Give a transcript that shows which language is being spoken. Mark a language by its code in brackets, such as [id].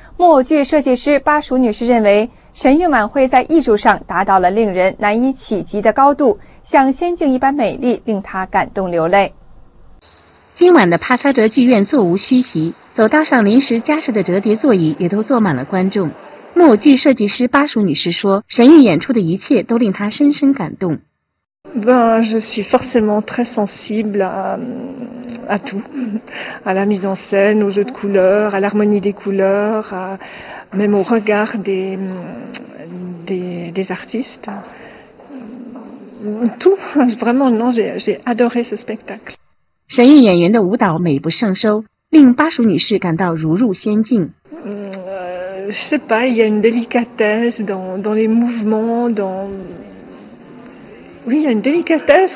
[zh] 木偶剧设计师巴蜀女士认为，神韵晚会在艺术上达到了令人难以企及的高度，像仙境一般美丽，令她感动流泪。今晚的帕萨哲剧院座无虚席，走道上临时加设的折叠座椅也都坐满了观众。木偶剧设计师巴蜀女士说，神韵演出的一切都令她深深感动。 [fr] Je suis forcément très sensible à tout, à la mise en scène, aux jeux de couleurs, à l'harmonie des couleurs, même au regard des artistes. Tout, vraiment, non, j'ai adoré ce spectacle. [zh] 神韵演员的舞蹈美不胜收，令巴蜀女士感到如入仙境。 [fr] Je sais pas, il y a une délicatesse dans les mouvements, oui, il y a une délicatesse.